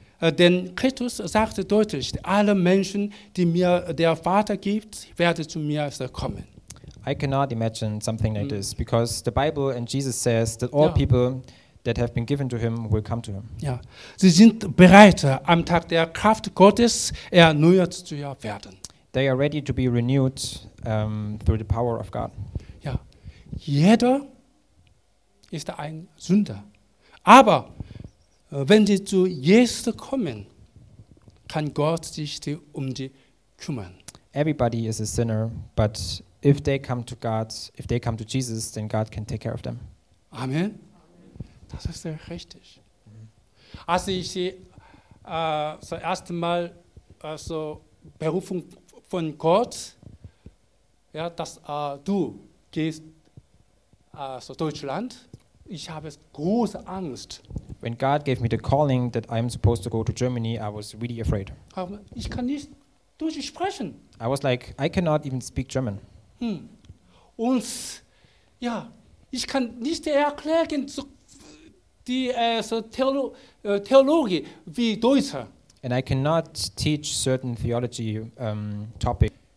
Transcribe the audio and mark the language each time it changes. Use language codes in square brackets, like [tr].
[de] Denn Christus sagte deutlich, alle Menschen, die mir der Vater gibt, werden zu mir kommen. [en] I cannot imagine something like this, because the Bible and Jesus says that all people that have been given to him will come to him. [de] Ja. Sie sind bereit, am Tag der Kraft Gottes erneuert zu werden. [en] They are ready to be renewed through the power of God. [de] Ja. Jeder ist ein Sünder. Aber wenn sie zu Jesus kommen, kann Gott sich um sie kümmern. [en] Everybody is a sinner, but if they come to God, if they come to Jesus, then God can take care of them. [de] Amen. Das ist ja richtig. Als ich das erste Mal Berufung von Gott, ja, dass du gehst so Deutschland, ich habe große Angst. [en] When God gave me the calling that I'm supposed to go to Germany, I was really afraid. [de] Ich kann nicht Deutsch sprechen. [en] I was like, I cannot even speak German. [de] Und ja, ich kann nicht erklären, so Theologie wie Deutscher. [en] And I cannot teach certain theology topic.